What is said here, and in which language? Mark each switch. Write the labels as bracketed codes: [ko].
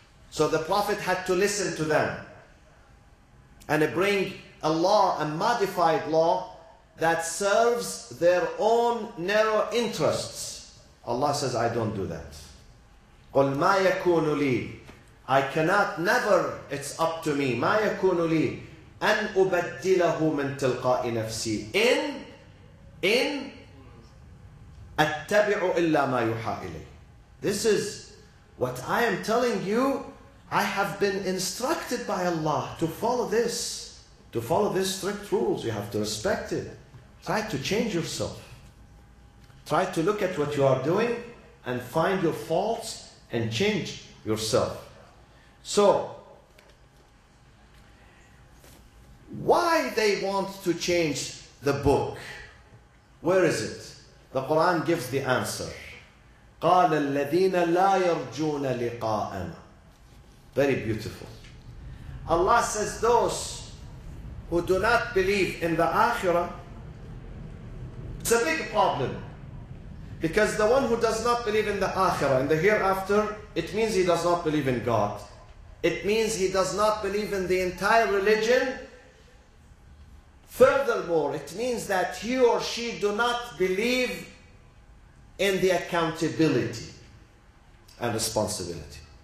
[en] So the Prophet had to listen to them and bring a law, a modified law, that serves their own narrow interests. Allah says, I don't do that. [ar] قُلْ مَا يَكُونُ لِي [en] I cannot, never, it's up to me. [ar] مَا يَكُونُ لِي أَنْ أُبَدِّلَهُ مِنْ تِلْقَاءِ نَفْسِي إِنْ أَتَّبِعُ إِلَّا مَا يُحَى إِلَيْهِ [en] This is what I am telling you. I have been instructed by Allah to follow this. To follow these strict rules. You have to respect it. Try to change yourself. Try to look at what you are doing and find your faults and change yourself. So, why they want to change the book? Where is it? The Quran gives the answer. [ar] قَالَ الَّذِينَ لَا يَرْجُونَ لِقَاءً [en] Very beautiful. Allah says those who do not believe in the Akhirah, it's a big problem. Because the one who does not believe in the Akhirah, in the hereafter, it means he does not believe in God. It means he does not believe in the entire religion. Furthermore, it means that he or she do not believe in the accountability and responsibility.